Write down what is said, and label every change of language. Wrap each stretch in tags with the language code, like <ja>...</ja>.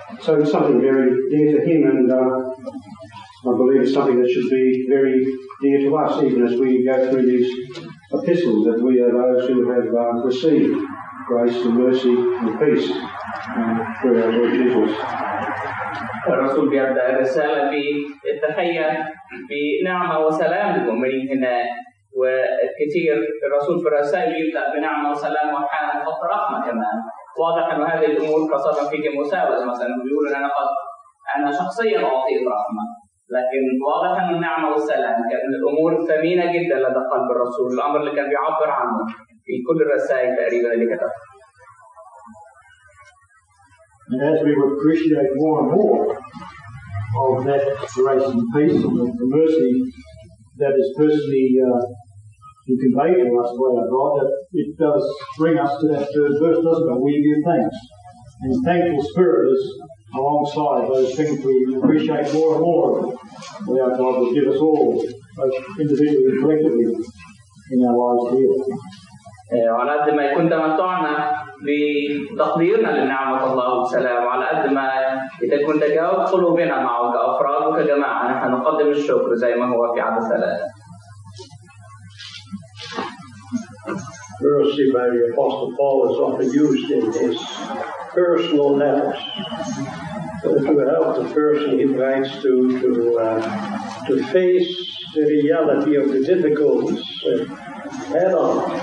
<en>So it's something very dear to him, and I believe it's something that should be very dear to us, even as we go through these epistles, that we are those who have received grace and mercy and peace through our Lord Jesus.</en> <ar>الرسول بيبدا الرساله بالتحيه بنعمه وسلام للمؤمنين هنا، وكثير الرسول في الرسائل يبدا بنعمه وسلام واحيانا خط رحمه كمان، واضح انه هذه الامور قصدا في مساوس مثلا بيقول انا شخصيا اعطيت رحمه، لكن واضح ان النعمه والسلام كانت الامور ثمينه جدا لدى قلب الرسول، الامر اللي كان بيعبر عنه في كل الرسائل تقريبا اللي كتبها.</ar> <en>And as we appreciate more and more of that grace and peace and the mercy that is personally conveyed to us by our God, that it does bring us to that third verse, doesn't it? We give thanks. And thankful spirit is alongside those things we appreciate more and more that our God will give us all, both individually and collectively, in our lives here.</en> <ar>على قد ما يكون تمتعنا بتقديرنا للنعمة الله والسلام، وعلى قد ما يكون تجاوب قلوبنا معه كأفراد وكجماعة، نحن نقدم الشكر زي ما هو في عدد ثلاثة.</ar> <en>Mercy by the Apostle Paul is often used in his personal letters. To help the person he writes to face the reality of the difficulties head on.</en>